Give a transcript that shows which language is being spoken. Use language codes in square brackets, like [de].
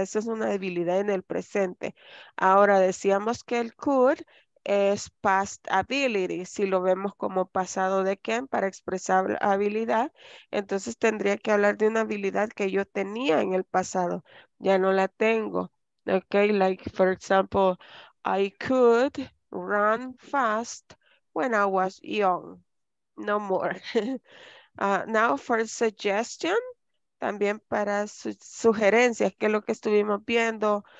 [es] Esa es una habilidad en el presente. Ahora, decíamos que el could es past ability. Si lo vemos como pasado de can para expresar habilidad, entonces tendría que hablar de una habilidad que yo tenía en el pasado. Ya no la tengo. [en] Okay, like for example, I could run fast when I was young. No more. Now for suggestion. [es] También para sugerencias, que es lo que estuvimos viendo.